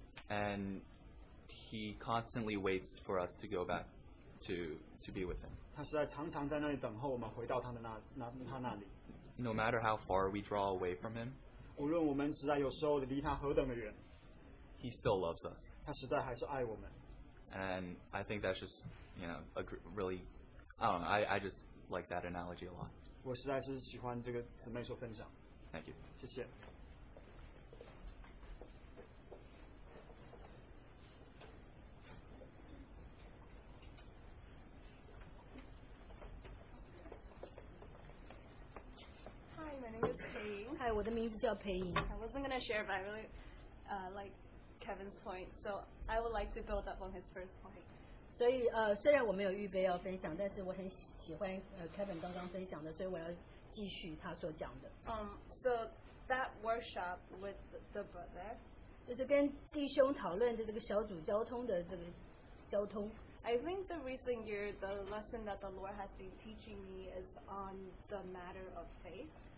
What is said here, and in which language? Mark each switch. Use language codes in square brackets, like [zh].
[en] And He constantly waits for us to go back to be with Him. [zh] 他实在常常在那里等候我们回到他那里。 [en] No matter how far we draw away from Him. [zh] 无论我们实在有时候离他何等的远。 [en] He still loves us. [zh] 他实在还是爱我们。 [en] And I think that's just, you know, a really, I don't know, I just like that analogy a lot. [zh] 我实在是喜欢这个姊妹所分享。 [en] Thank you. [zh] 谢谢。 [en] Hi, my name is Peiying. [zh] Hi, 我的名字叫裴莹。 [en] I wasn't gonna share, but I really like Kevin's point, so I would like to build up on his first point. [zh] 所以，虽然我没有预备要分享，但是我很喜欢Kevin刚刚分享的，所以我要继续他所讲的。So [en] that workshop with the brother. [zh] 就是跟弟兄讨论的这个小组交通的这个交通。I [en] think the recent year, the lesson that the Lord has been teaching me is on the matter of faith.